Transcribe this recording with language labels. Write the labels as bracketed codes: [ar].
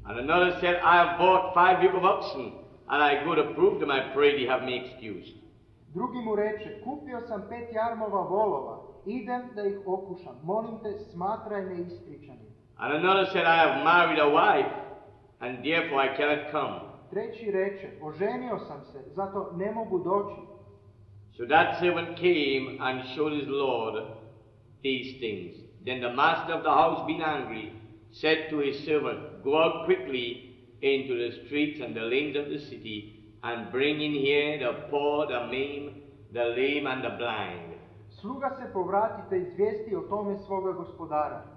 [en] And another said, I have bought 5 yoke of oxen, and I go to prove them. I pray thee, have me excused. [hr] Drugi mu reče, kupio sam 5 jarmova volova, idem da ih okušam. Molim te, smatraj me ispričanim. [en] And another said, I have married a wife, and therefore I cannot come. [hr] Treći reče, oženio sam se, zato ne mogu doći. [en] So that servant came and showed his lord these things. Then the master of the house, being angry, said to his servant, go out quickly into the streets and the lanes of the city, and bring in here the poor, the maimed, the lame, and the blind. [hr] Sluga se povratite izvijesti o tome svoga gospodara.